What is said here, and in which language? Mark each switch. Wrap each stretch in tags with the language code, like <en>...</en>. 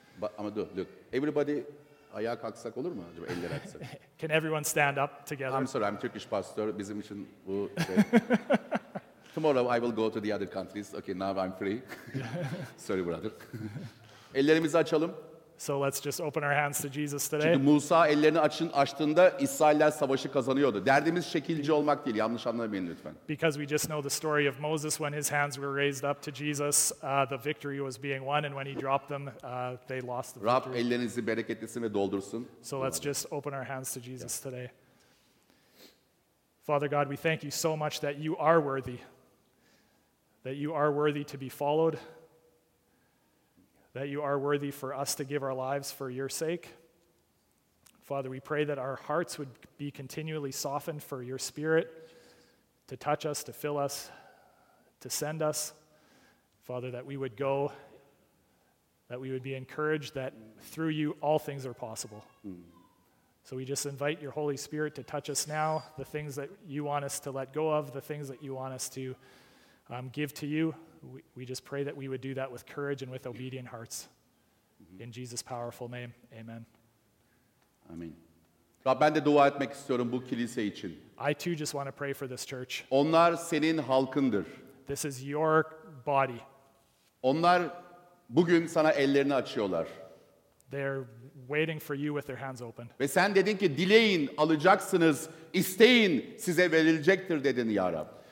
<en>But Amadou, look, everybody,</en> <tr>ayağa kalksak olur mu? Eller açsak.</tr> <en>Can everyone stand up together? I'm sorry, I'm Turkish pastor.</en> <tr>Bizim için bu.</tr> <en>Tomorrow I will go to the other countries. Okay, now I'm free. Sorry, brother.</en> <tr>Ellerimizi açalım.</tr> <en>So let's just open our hands to Jesus today.</en> <tr>Çünkü Musa ellerini açtığında İsrailler savaşı kazanıyordu. Derdimiz şekilci olmak değil. Yanlış anlamayın lütfen.</tr> <en>Because we just know the story of Moses when his hands were raised up to Jesus, the victory was being won, and when he dropped them, they lost the victory.</en> <tr>Rab ellerinizi bereketlesin ve doldursun.</tr> <en>So let's just open our hands to Jesus today. Father God, we thank you so much that you are worthy. That you are worthy to be followed. That you are worthy for us to give our lives for your sake. Father, we pray that our hearts would be continually softened for your Spirit to touch us, to fill us, to send us. Father, that we would go, that we would be encouraged that through you all things are possible. So we just invite your Holy Spirit to touch us now, the things that you want us to let go of, the things that you want us to give to you. We just pray that we would do that with courage and with obedient hearts. Mm-hmm. In Jesus' powerful name, amen. Amen.</en> <tr>Rab, ben de dua etmek istiyorum bu kilise için.</tr> <en>I too just want to pray for this church.</en> <tr>Onlar senin halkındır.</tr> <en>This is your body.</en> <tr>Onlar bugün sana ellerini açıyorlar.</tr> <en>They're waiting for you with their hands open.</en> <tr>Ve sen dedin ki dileyin alacaksınız, isteyin size verilecektir dedin ya Rab.</tr>